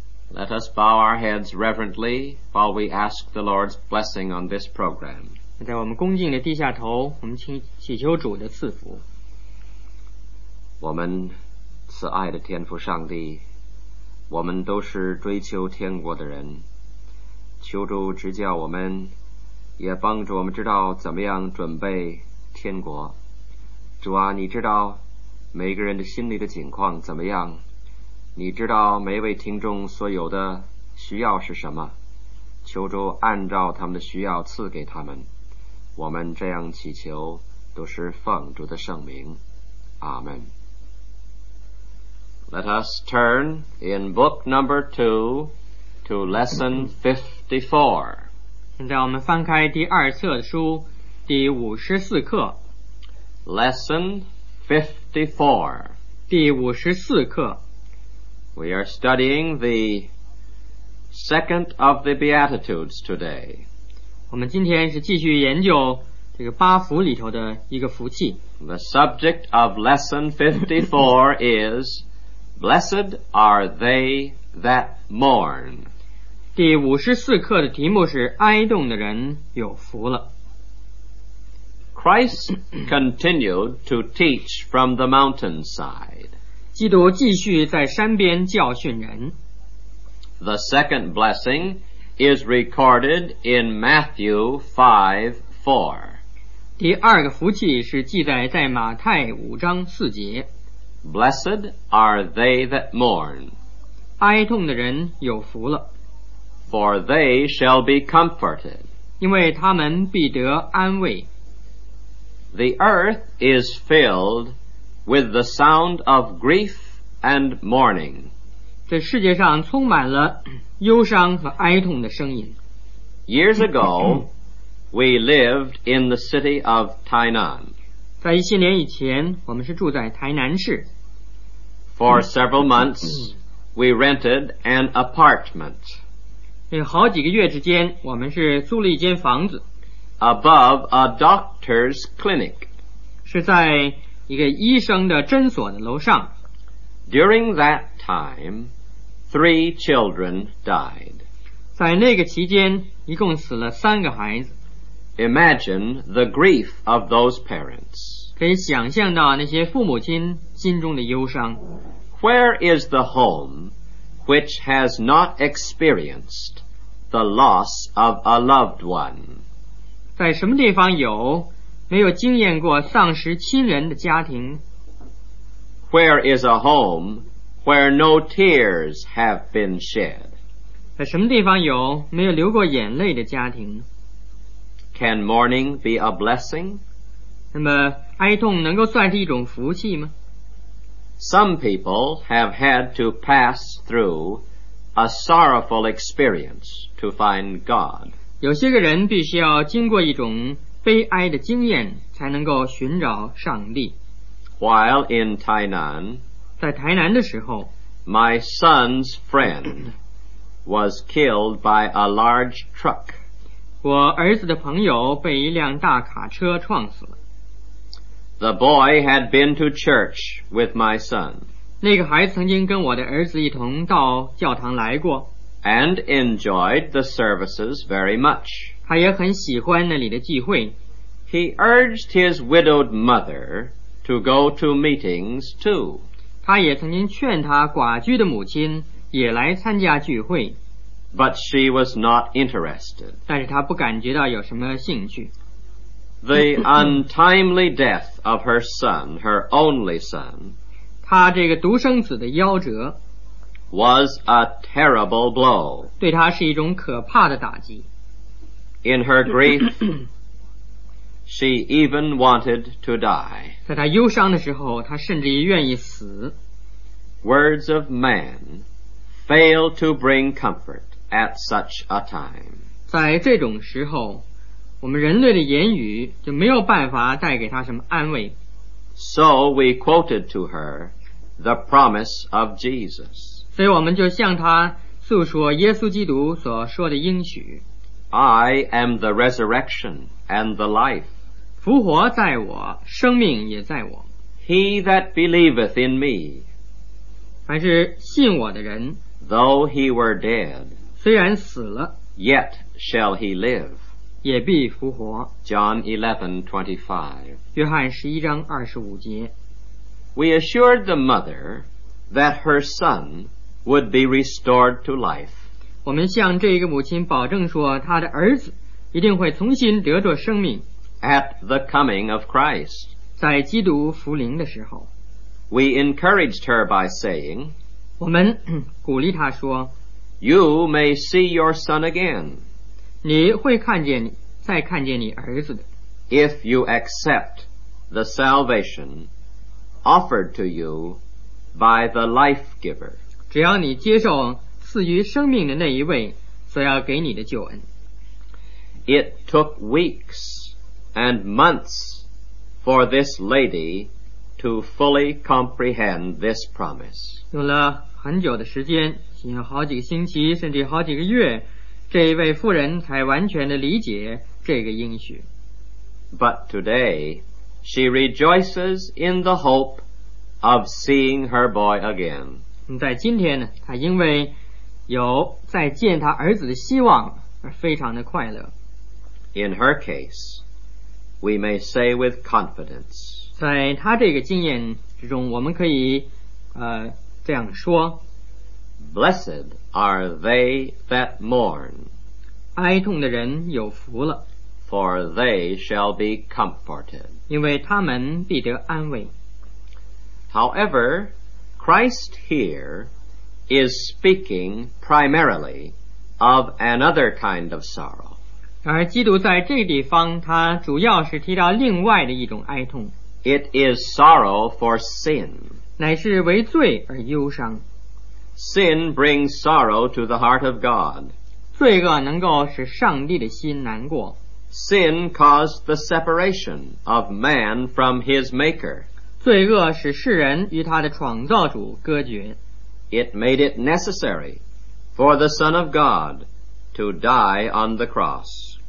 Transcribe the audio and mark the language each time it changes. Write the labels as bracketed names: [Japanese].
[English] Let us bow our heads reverently while we ask the Lord's blessing on this program. [Chinese] 在我们恭敬地低下头，我们请祈求主的赐福。我们慈爱的天父上帝，我们都是追求天国的人，求主指教我们，也帮助我们知道怎么样准备天国。主啊，你知道每个人的心里的情况怎么样，你知道每位听众所有的需要是什么，求主按照他们的需要赐给他们。我们这样祈求都是奉主的圣名，阿们。 [English] Let us turn in book number 2 to lesson 54. [Chinese] 现在我们翻开第二册的书，第五十四课。 [English] Lesson 54. [Chinese] 第五十四课。 [English] We are studying the second of the Beatitudes today. [Chinese] 我们今天是继续研究这个八福里头的一个福气。 [English] The subject of lesson 54 is Blessed are they that mourn. [Chinese] 第五十四课的题目是哀恸的人有福了。 [English] Christ continued to teach from the mountainside. [Chinese] 基督继续在山边教训人。 [English] The second blessing is recorded in Matthew 5:4. [Chinese] 第二个福气是记载在马太五章四节。 [English] Blessed are they that mourn. [Chinese] 哀痛的人有福了。 [English] For they shall be comforted. [Chinese] 因为他们必得安慰。 [English] The earth is filled with the sound of grief and mourning. [Chinese] 这世界上充满了忧伤和哀痛的声音。 [English] Years ago, we lived in the city of Tainan. [Chinese] 在一些年以前，我们是住在台南市。 [English] For several months, we rented an apartment. [Chinese] 好几个月之间，我们是租了一间房子。 [English] Above a doctor's clinic. [Chinese] 是在一个医生的诊所的楼上。 [English] During that time, 3 children died. [Chinese] 在那个期间，一共死了三个孩子。 [English] Imagine the grief of those parents. [Chinese] 可以想象到那些父母亲心中的忧伤。 [English] Where is the home which has not experienced the loss of a loved one? [Chinese] 在什么地方有没有经验过丧失亲人的家庭？ [English] Where is a home where no tears have been shed? [Chinese] 在什么地方有没有流过眼泪的家庭？ [English] Can mourning be a blessing? [Chinese] 那么哀痛能够算是一种福气吗？ [English] Some people have had to pass through a sorrowful experience to find God. [Chinese] 有些个人必须要经过一种悲哀的经验才能够寻找上帝。 [English] While in Tainan, [Chinese] 在台南的时候， [English] My son's friend was killed by a large truck. [Chinese] 我儿子的朋友被一辆大卡车撞死了。 [English] The boy had been to church with my son. [Chinese] 那个孩子曾经跟我的儿子一同到教堂来过。 [English] And enjoyed the services very much. [Chinese] 他也很喜欢那里的聚会。 [English] He urged his widowed mother to go to meetings too. [Chinese] 他也曾经劝他寡居的母亲也来参加聚会。 [English] But she was not interested. [Chinese] 但是他不感觉到有什么兴趣。 [English] The untimely death of her son, her only son, [Chinese] 他这个独生子的夭折 [English] was a terrible blow. [Chinese] 对他是一种可怕的打击。 [English] In her grief, she even wanted to die. [Chinese] 在他忧伤的时候，他甚至于愿意死。 [English] Words of man fail to bring comfort at such a time. [Chinese] 在这种时候，我们人类的言语就没有办法带给他什么安慰。 [English] So we quoted to her the promise of Jesus. [Chinese] 所以我们就向他诉说耶稣基督所说的应许。 [English] I am the resurrection and the life. [Chinese] 复活在我，生命也在我。 [English] He that believeth in me, [Chinese] 凡是信我的人， [English] though he were dead, [Chinese] 虽然死了， [English] yet shall he live. [Chinese] 也必复活。 [English] John 11:25。 [Chinese] 约翰十一章二十五节。 [English] We assured the mother that her son would be restored to life. [Chinese] 我们向这一个母亲保证说，她的儿子一定会重新得着生命。 [English] At the coming of Christ. [Chinese] 在基督复临的时候。 [English] We encouraged her by saying. [Chinese] 我们鼓励她说。 [English] You may see your son again. [Chinese] 你会看见你，再看见你儿子的。 [English] If you accept the salvation offered to you by the life giver, [Chinese] 只要你接受赐予生命的那一位所要给你的救恩。 [English] It took weeks and months for this lady to fully comprehend this promise. [Chinese] 用了很久的时间，好几个星期，甚至好几个月。这一位妇人才完全地理解这个应许。 [English] But today, she rejoices in the hope of seeing her boy again. [Chinese] 在今天呢，她因为有再见她儿子的希望而非常的快乐。 [English] In her case, we may say with confidence. [Chinese] 在她这个经验之中，我们可以这样说。 [English] Blessed are they that mourn. [Chinese] 哀痛的人有福了。 [English] For they shall be comforted. [Chinese] 因为他们必得安慰。 [English] However, Christ here is speaking primarily of another kind of sorrow. [Chinese] 而基督在这地方，他主要是提到另外的一种哀痛。 [English] It is sorrow for sin. [Chinese] 乃是为罪而忧伤。 [English] Sin brings sorrow to the heart of God. [Chinese] 罪恶能够使上帝的心难过。 [English] Sin caused the separation of man from his maker. [Chinese] 罪恶使世人与他的创造主隔绝。 [English] It made it necessary for the Son of God to die on the cross.